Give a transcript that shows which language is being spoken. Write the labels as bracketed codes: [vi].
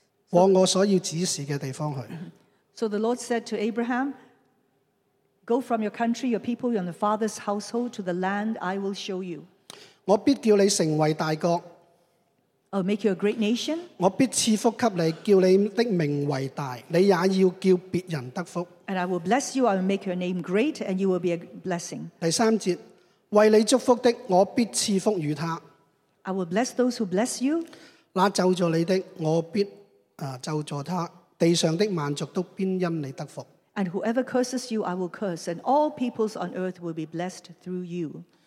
[zh] 往我所要指示的地方去。 [en] So the Lord said to Abraham, go from your country, your people, and your father's household to the land I will show you. [zh] 我必叫你成為大國, [en] I'll make you a great nation. [zh] 我必賜福給你, 叫你的名為大, 你也要叫別人得福。 [en] And I will bless you, I will make your name great, and you will be a blessing. [zh] 第三節, 為你祝福的, 我必賜福與他。 [en] I will bless those who bless you. [zh] 那咒助你的, 我必咒助他, 地上的萬族都必因你得福。 [en] And whoever curses you, I will curse, and all peoples on earth will be blessed through you.